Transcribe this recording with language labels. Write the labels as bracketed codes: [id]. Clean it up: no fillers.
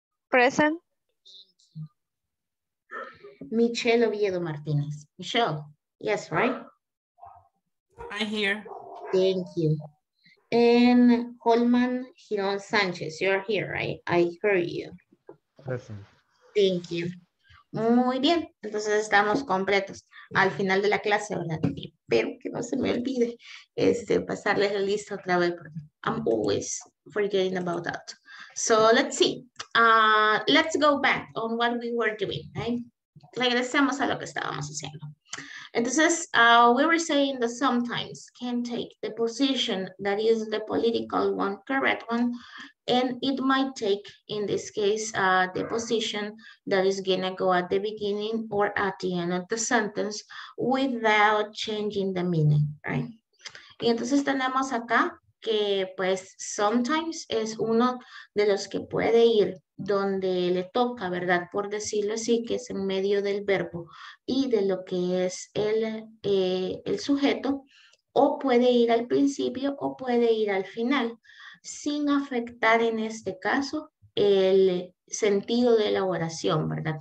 [en] Present. Thank you. Michelle Oviedo Martínez. Michelle. Yes, right? I'm here. Thank you. And Holman Giron Sanchez, you're here, right? I hear you. Present. Thank you. [es] Muy bien, entonces estamos completos al final de la clase, ¿verdad? Espero que no se me olvide pasarles la lista otra vez. [en] I'm always forgetting about that. So let's see. Let's go back on what we were doing, right? [es] Regresemos a lo que estábamos haciendo. Entonces, [en] we were saying that sometimes can take the position that is the political one, correct one, and it might take, in this case, the position that is gonna go at the beginning or at the end of the sentence without changing the meaning, right? [es] Y entonces tenemos acá que, pues, sometimes es uno de los que puede ir donde le toca, ¿verdad? Por decirlo así, que es en medio del verbo y de lo que es el sujeto, o puede ir al principio o puede ir al final, sin afectar en este caso el sentido de la oración, ¿verdad?